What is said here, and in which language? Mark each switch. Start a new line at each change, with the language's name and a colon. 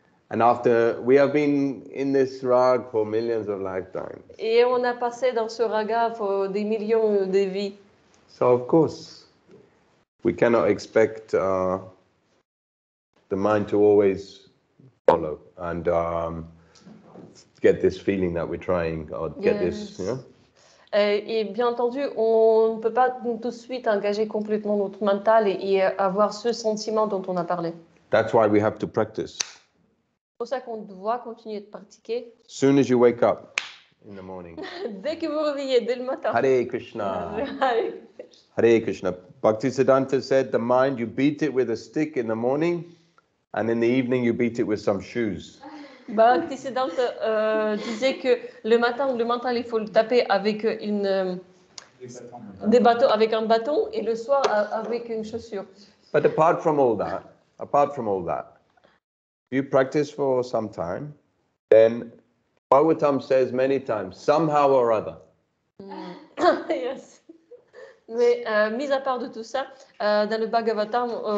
English: And after we have been in this rag for millions of lifetimes.
French: Et on a passé dans ce raga pour des millions de vies.
English: So of course, we cannot expect the mind to always follow and get this feeling that we're trying or yes. Get this, you know.
French: Et bien entendu, on ne peut pas tout de suite engager complètement notre mental et avoir ce sentiment dont on a parlé.
English: That's why we have to practice.
French: C'est pour ça qu'on doit continuer de pratiquer.
English: Soon as you wake up in the morning.
French: Dès que vous réveillez, dès le matin.
Sanskrit: Hare Krishna. Hare Krishna.
English: Bhaktisiddhanta said, the mind, you beat it with a stick in the morning, and in the evening you beat it with some shoes.
French: Bhaktisiddhanta disait que le matin, le mental, il faut le taper avec un bâton et le soir avec une chaussure.
English: But apart from all that, if you practice for some time, then Bhagavatam says many times, somehow or other. Yes.
French: Mais mis à part de tout ça, dans le Bhagavatam,